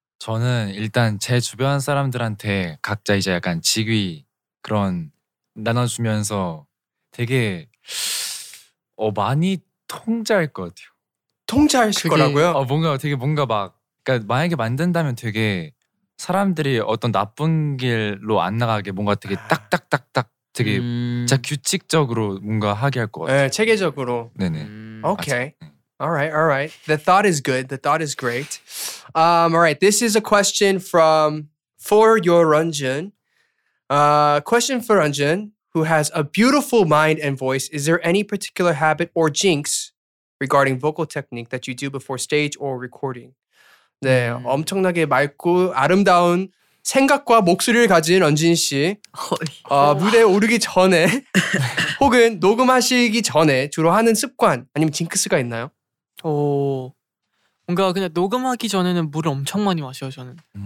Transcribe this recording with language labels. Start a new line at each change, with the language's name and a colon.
Korean: 저는 일단 제 주변 사람들한테 각자 이제 약간 직위 그런 나눠주면서 되게 많이 통제할 것 같아요. 통제할 거라고요? 뭔가 막 그러니까 만약에 만든다면 되게 사람들이 어떤 나쁜 길로 안 나가게 뭔가 되게 딱딱딱딱. 되게 진짜 규칙적으로 뭔가 하게 할 것 같아요. 네, 체계적으로. 네네.
English: Okay. All right. The thought is good. The thought is great. All right. This is a question from for your Ranjan. Question for Ranjan, who has a beautiful mind and voice. Is there any particular habit or jinx regarding vocal technique that you do before stage or recording?
Korean: 네, 엄청나게 맑고 아름다운 생각과 목소리를 가진 런쥔 씨. 무대에 오르기 전에 혹은 녹음하시기 전에 주로 하는 습관 아니면 징크스가 있나요? 뭔가 그냥 녹음하기 전에는 물을 엄청 많이 마셔요, 저는.